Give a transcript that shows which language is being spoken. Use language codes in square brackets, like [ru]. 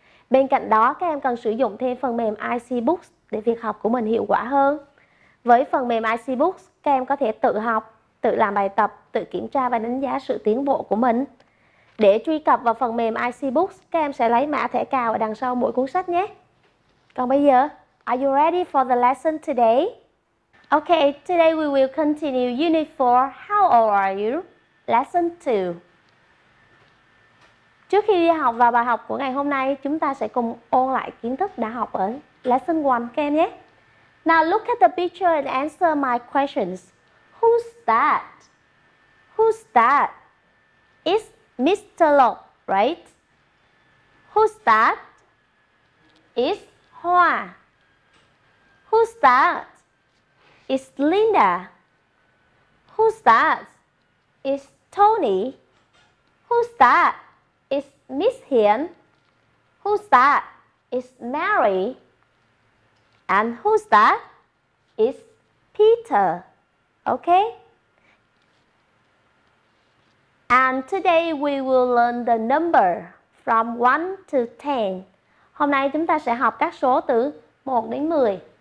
[vi] Bên cạnh đó các em cần sử dụng thêm phần mềm IC Books để việc học của mình hiệu quả hơn. Với phần mềm IC Books, các em có thể tự học, tự làm bài tập, tự kiểm tra và đánh giá sự tiến bộ của mình. Để truy cập vào phần mềm IC Books, các em sẽ lấy mã thẻ cào ở đằng sau mỗi cuốn sách nhé. Còn bây giờ, [en] are you ready for the lesson today? Okay, today we will continue Unit 4, How old are you? Lesson 2. [vi] Trước khi đi học vào bài học của ngày hôm nay, chúng ta sẽ cùng ôn lại kiến thức đã học ở Lesson 1 các em nhé. [en] Now look at the picture and answer my questions. Who's that? Who's that? It's Mr. Lok, right? Who's that? It's Hoa. Who's that? It's Linda. Who's that? It's Tony. Who's that? It's Miss Hien. Who's that? It's Mary. And who's that? It's Peter. Okay? And today we will learn the number from 1 to 10. [vi] Hôm nay chúng ta sẽ học các số từ 1 đến 10.